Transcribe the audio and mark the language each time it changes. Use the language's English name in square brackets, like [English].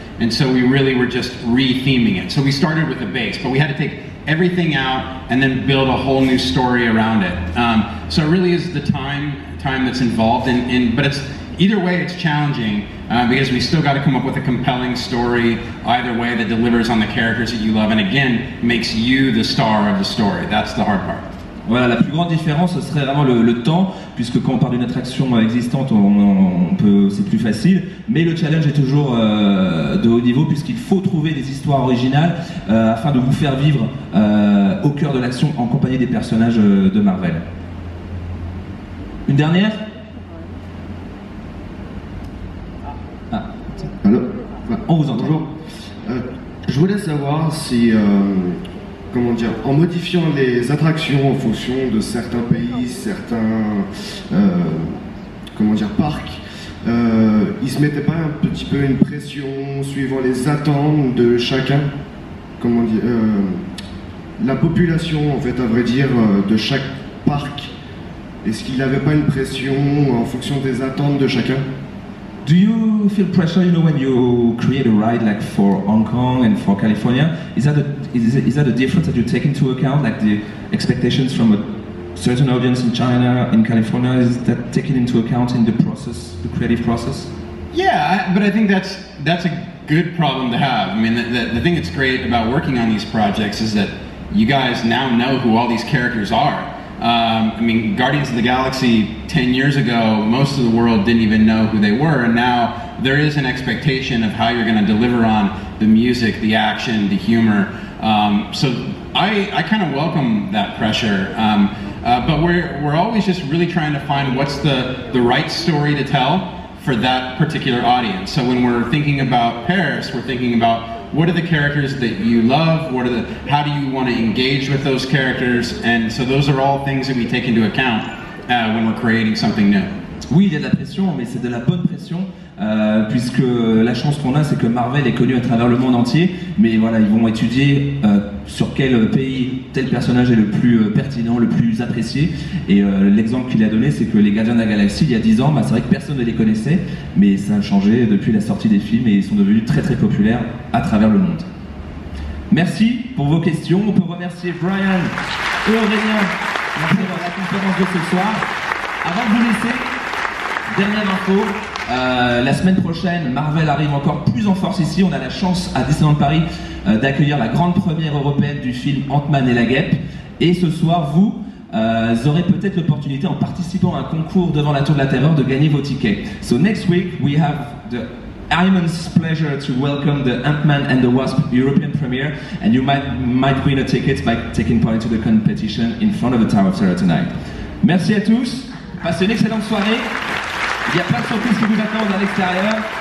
[English] And so we really were just re-theming it. So we started with a base, but we had to take everything out and then build a whole new story around it. So it really is the time that's involved. But it's either way, it's challenging because we still got to come up with a compelling story either way that delivers on the characters that you love and again, makes you the star of the story. That's the hard part. [French] Voilà, la plus grande différence, ce serait vraiment le temps, puisque quand on parle d'une attraction existante, c'est plus facile. Mais le challenge est toujours de haut niveau, puisqu'il faut trouver des histoires originales afin de vous faire vivre au cœur de l'action en compagnie des personnages de Marvel. Une dernière ? Ah. Allô ? On vous entend. Bonjour. Je voulais savoir si... en modifiant les attractions en fonction de certains pays, certains parcs, ils se mettaient pas un petit peu une pression suivant les attentes de chacun, la population en fait à vrai dire de chaque parc, est-ce qu'il n'avait pas une pression en fonction des attentes de chacun? [English] Do you feel pressure, you know, when you create a ride like for Hong Kong and for California? Is that a difference that you take into account, like the expectations from a certain audience in China, in California? Is that taken into account in the process, the creative process? Yeah, but I think that's a good problem to have. I mean, the thing that's great about working on these projects is that you guys now know who all these characters are. Guardians of the Galaxy 10 years ago, most of the world didn't even know who they were, and now there is an expectation of how you're going to deliver on the music, the action, the humor. So I kind of welcome that pressure, but we're always just really trying to find what's the right story to tell for that particular audience. So when we're thinking about Paris, we're thinking about what are the characters that you love? How do you want to engage with those characters? And so those are all things that we take into account when we're creating something new. [French] Oui, il y a de la pression, mais c'est de la bonne pression, puisque la chance qu'on a, c'est que Marvel est connu à travers le monde entier. Mais voilà, ils vont étudier sur quel pays tel personnage est le plus pertinent, le plus apprécié. Et l'exemple qu'il a donné, c'est que les Gardiens de la Galaxie, il y a 10 ans, c'est vrai que personne ne les connaissait, mais ça a changé depuis la sortie des films et ils sont devenus très très populaires à travers le monde. Merci pour vos questions. On peut remercier Brian et Aurélien pour la conférence de ce soir. Avant de vous laisser, dernière info, la semaine prochaine, Marvel arrive encore plus en force ici. On a la chance à Disneyland Paris d'accueillir la grande première européenne du film Ant-Man et la Guêpe. Et ce soir, vous aurez peut-être l'opportunité, en participant à un concours devant la Tour de la Terreur, de gagner vos tickets. [English] So next week, we have the immense pleasure to welcome the Ant-Man and the Wasp European premiere. And you might win a ticket by taking part into the competition in front of the Tower of Terror tonight. [French] Merci à tous. Passez une excellente soirée. Il n'y a pas de surprise qui vous attend à l'extérieur.